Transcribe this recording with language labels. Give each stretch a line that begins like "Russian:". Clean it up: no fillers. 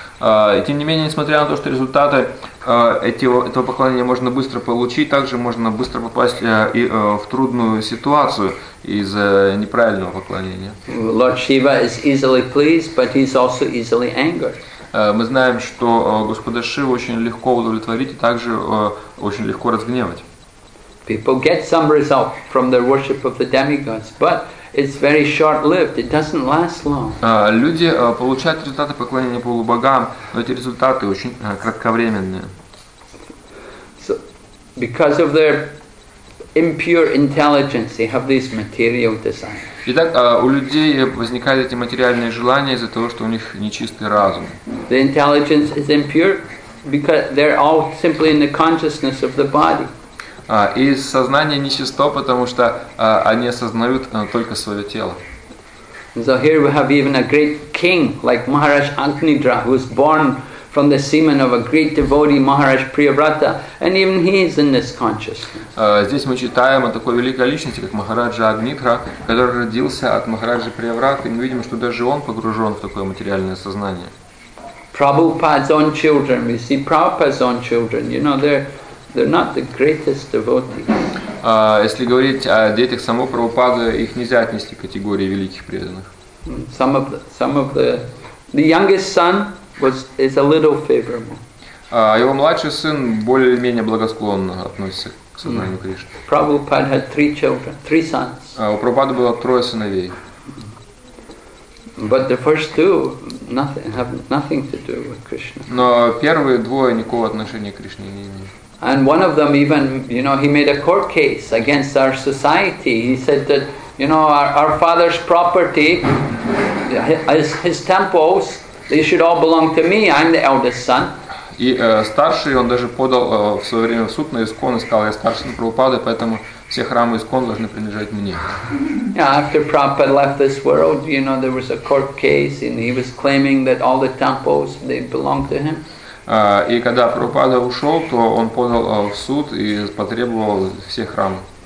Russian: И тем не менее, несмотря на то, что результаты этого поклонения можно быстро получить, также можно быстро попасть в трудную ситуацию из-за неправильного поклонения.
English: Lord Shiva is easily pleased, but he's also easily angered.
Russian: Мы знаем, что Господа Шива очень легко удовлетворить и также очень легко разгневать.
English: People get some result from their worship of the demigods, but it's very short-lived. It doesn't last long.
Russian: Люди получают результаты поклонения полубогам, но эти результаты очень кратковременные.
English: So, because of their impure intelligence, they have these material desires.
Russian: Итак, у людей возникают эти материальные желания из-за того, что у них нечистый разум.
English: The intelligence is impure because they're all simply in the consciousness of the body.
Russian: И сознание нечисто, потому что они осознают только свое тело.
English: So here we have even a great king like Maharaj Agnidra, who was born from the semen of a great devotee, Maharaj Priyavrata, and even he is in this consciousness.
Russian: Здесь мы читаем о такой великой личности, как Махараджа Агнитра, который родился от Махараджи Приявраты, и мы видим, что даже он погружен в такое материальное сознание.
English: Prabhupada's own children, we see Prabhupada's own children, you know, they're not the greatest devotees.
Russian: Если говорить о детях самого Прабхупады, их нельзя отнести к категории великих преданных.
English: Some of the youngest son is a little favorable.
Russian: Его младший сын более-менее благосклонно относится к сознанию Кришны.
English: Prabhupada had three children, three sons.
Russian: У Прабхупады было трое сыновей.
English: But the first two have nothing to do with Krishna.
Russian: Но первые двое никакого отношения к Кришне не имеют.
English: And one of them even, you know, he made a court case against our society. He said that, you know, our father's property, his temples, they should all belong to me. I'm the eldest son.
Russian: И старший, он даже подал в свое время в суд на ИСККОН и сказал, я старший Прабхупады, поэтому все храмы ИСККОН должны принадлежать мне.
English: Yeah, after Prabhupada left this world, you know, there was a court case, and he was claiming that all the temples, they belong to him.
Russian: И когда Прабхупада ушел, то он подал в суд и потребовал все храмы.